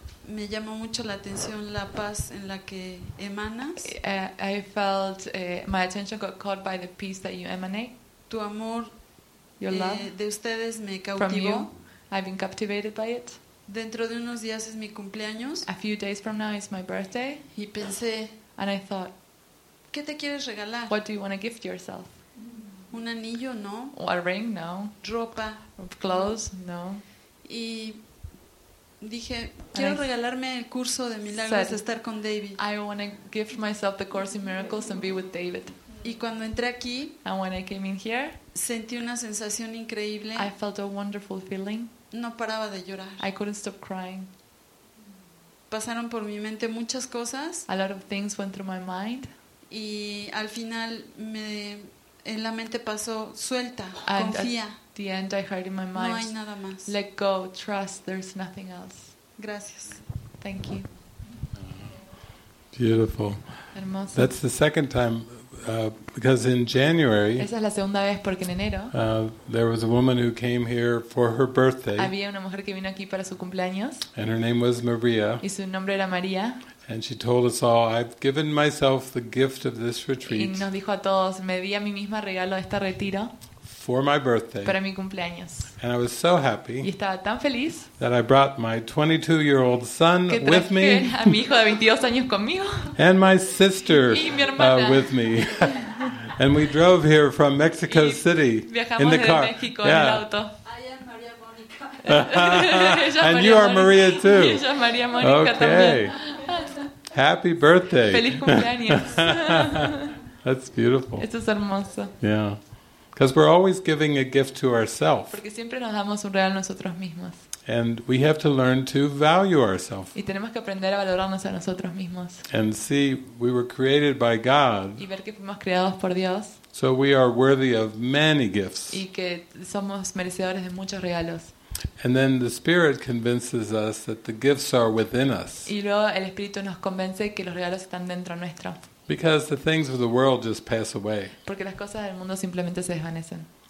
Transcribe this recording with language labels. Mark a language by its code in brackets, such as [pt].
[es] Me llamó mucho la atención la paz en la que emanas. [en] I felt my attention got caught by the peace that you emanate. [es] Tu amor, [en] your love [es] de ustedes me cautivó. [en] From you, I've been captivated by it. [es] Dentro de unos días es mi cumpleaños. [en] A few days from now is my birthday. [es] Y pensé, [en] and I thought, [es] ¿qué te quieres regalar? [en] What do you want to gift yourself? [es] Un anillo, no. [en] A ring, no. [es] Ropa. [en] Clothes, no. [es] Y dije, quiero regalarme el curso de milagros, [en] said, [es] estar con David. [en] I want to gift myself the Course in Miracles and be with David. [es] Y cuando entré aquí, [en] and when I came in here, [es] sentí una sensación increíble. [en] I felt a wonderful feeling. [es] No paraba de llorar. [en] I couldn't stop crying. [es] Pasaron por mi mente muchas cosas. [en] A lot of things went through my mind. [es] Y al final me en la mente pasó, suelta, and confía. [en] At the end, I heard in my mind, [es] no hay nada más. [en] Let go, trust, there's nothing else. [es] Gracias. [en] Thank you. Beautiful. [es] Hermoso. [en] That's the second time, because in January, [es] esa es la segunda vez porque en enero, [en] there was a woman who came here for her birthday. [es] Había una mujer que vino aquí para su cumpleaños. [en] And her name was Maria. [es] Y su nombre era María. [en] And she told us all, "I've given myself the gift of this retreat." [es] Y nos dijo a todos, me di a mí misma regalo de este retiro. [en] For my birthday. [es] Para mi cumpleaños. [en] And I was so happy. [es] Y estaba tan feliz. [en] That I brought my 22-year-old son with me. [es] Que traje a mi hijo de 22 años conmigo. [en] And my sister. [es] Y mi hermana. [en] With me. And we drove here from Mexico City in the car. [es] Viajamos de México, yeah. En el auto. [en] And you are Maria too. [es] Y yo, María Mónica, También. [en] Happy birthday. [es] Feliz cumpleaños. [en] That's beautiful. [es] Esto es hermoso. [en] Yeah. Because we're always giving a gift to ourselves. [es] Porque siempre nos damos un regalo a nosotros mismos. [en] And we have to learn to value ourselves. [es] Y tenemos que aprender a valorarnos a nosotros mismos. [en] And see, we were created by God. [es] Y ver que fuimos creados por Dios. [en] So we are worthy of many gifts. [es] Y que somos merecedores de muchos regalos. [en] And then the Spirit convinces us that the gifts are within us. [es] Y luego el Espíritu nos convence que los regalos están dentro nuestro. [en] Because the things of the world just pass away. [es] Porque las cosas del mundo simplemente se desvanecen.